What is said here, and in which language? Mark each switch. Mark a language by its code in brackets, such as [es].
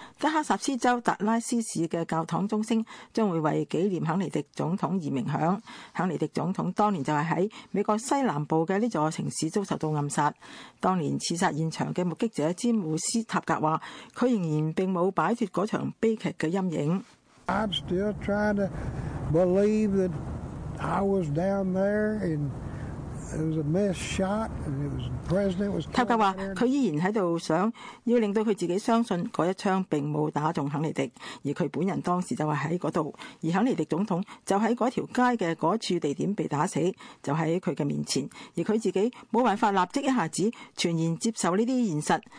[zh] 德克萨斯州达拉斯市的教堂钟声将会为纪念肯尼迪总统而鸣响。肯尼迪总统当年就是在美国西南部的这座城市遭受到暗杀。当年刺杀现场的目击者詹姆斯·塔格说，他仍然并没有摆脱那场悲剧的阴影。 [en] I'm still trying to believe that... I was down there and it was a missed shot and it was, the president was killed. [zh] 塔格說他依然在這裡想要令到他自己相信那一槍並沒有打中肯尼迪，而他本人當時就是在那裡，而肯尼迪總統就在那條街的那處地點被打死，就在他的面前，而他自己沒辦法立即一下子全然接受這些現實。